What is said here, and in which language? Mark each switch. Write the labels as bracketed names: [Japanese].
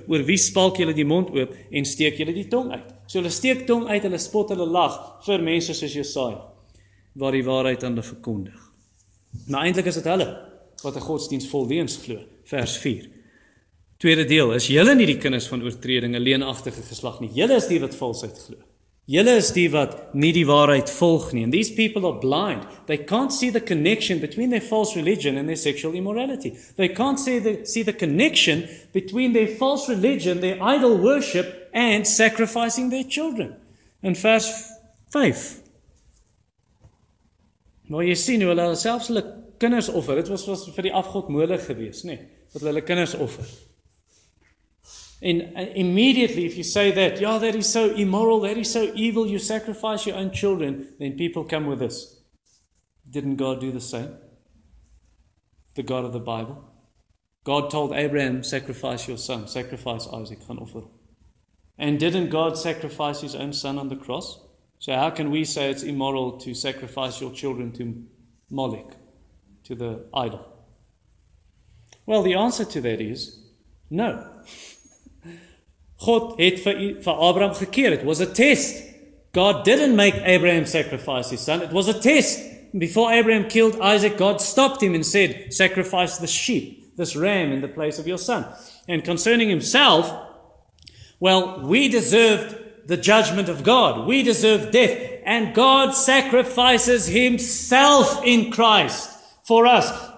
[Afrikaans] Oor wie spalk julle die mond oop en steek julle die tong uit? So hulle steek tong uit, hulle spot, hulle lag vir mense soos Jesaja, waar die waarheid aan hulle verkondig. Maar eintlik is dit hulle wat 'n godsdienst vol leuns glo. Vers 4. Tweede deel, is julle nie die kinders van oortreding, 'n leenagtige geslag nie. Julle is die wat valsheid glo. Julle is die wat nie die waarheid volg nie. [English] And these people are blind. They can't see the connection between their false religion and their sexual immorality. They can't see the connection between their false religion, their idol worship, and sacrificing their children. [Afrikaans] And vers 5. Maar jy sien hoe hulle selfs hulle kinders offer. Dit was vir die afgod Molig gewees, nê? Wat hulle kinders offer. [English] And immediately, if you say that, yeah, that is so immoral, that is so evil, you sacrifice your own children, then people come with this. Didn't God do the same? The God of the Bible. God told Abraham, sacrifice your son, sacrifice Isaac. And didn't God sacrifice his own son on the cross? So how can we say it's immoral to sacrifice your children to Molech, to the idol? Well, the answer to that is no. [Afrikaans] God het vir Abraham gekeer. [English] It was a test. God didn't make Abraham sacrifice his son. It was a test. Before Abraham killed Isaac, God stopped him and said, sacrifice the sheep, this ram, in the place of your son. And concerning himself, well, we deserved the judgment of God. We deserved death. And God sacrifices himself in Christ for us.